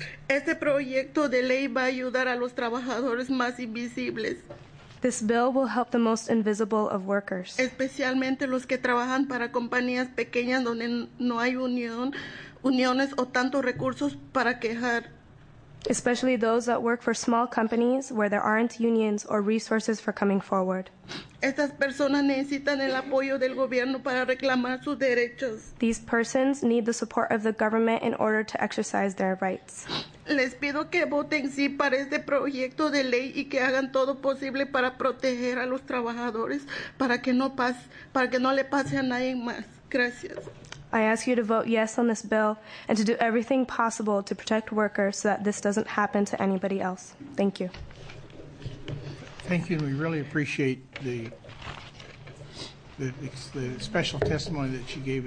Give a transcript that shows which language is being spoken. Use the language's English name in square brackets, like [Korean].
[Spanish] Este proyecto de ley va a ayudar a los trabajadores más invisibles. [English] This bill will help the most invisible of workers. [Spanish] Especialmente los que trabajan para compañías pequeñas donde no hay uniones o tantos recursos para quejar. [English] Especially those that work for small companies where there aren't unions or resources for coming forward. [Spanish] Estas personas necesitan el apoyo del gobierno para reclamar sus derechos. [English] These persons need the support of the government in order to exercise their rights. [Spanish] Les pido que voten sí para este proyecto de ley y que hagan todo posible para proteger a los trabajadores para que no le pase a nadie más. Gracias. [English] I ask you to vote yes on this bill and to do everything possible to protect workers so that this doesn't happen to anybody else. Thank you. Thank you, and we really appreciate the special testimony that she gave.